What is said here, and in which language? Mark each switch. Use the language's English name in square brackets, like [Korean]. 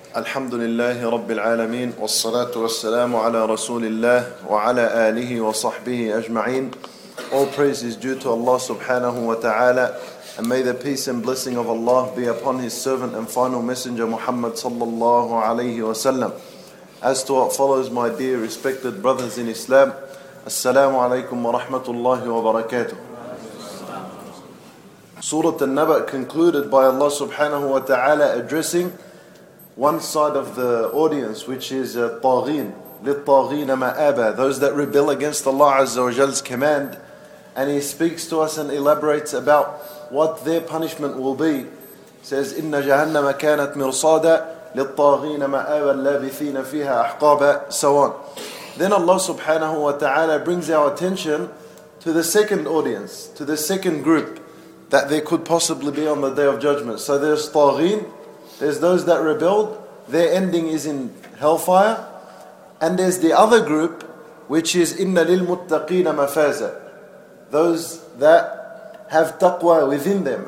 [Arabic] الحمد لله رب العالمين، والصلاة والسلام على رسول الله وعلى آله وصحبه أجمعين. [English] All praise is due to Allah subhanahu wa ta'ala, and may the peace and blessing of Allah be upon His servant and final messenger Muhammad sallallahu alayhi wa sallam. As to what follows, my dear respected brothers in Islam, Assalamu alaikum wa rahmatullahi wa barakatuh. Surah An-Naba concluded by Allah subhanahu wa ta'ala addressing one side of the audience, which is [Arabic] الطاغين للطاغين مآبا, [English] those that rebel against Allah Azza wa Jal's command. And he speaks to us and elaborates about what their punishment will be. He says, [Arabic] إِنَّ جَهَنَّمَ كَانَتْ مِرْصَادًا لِلطَّاغِينَ مَآبًا لَابِثِينَ فِيهَا أَحْقَابًا. [English] So on. Then Allah subhanahu wa ta'ala brings our attention to the second audience, to the second group that there could possibly be on the Day of Judgment. So there's طاغين, there's those that rebelled, their ending is in hellfire. And there's the other group, which is [Arabic] إِنَّ لِلْمُتَّقِينَ مَفَازًا, [English] those that have taqwa within them.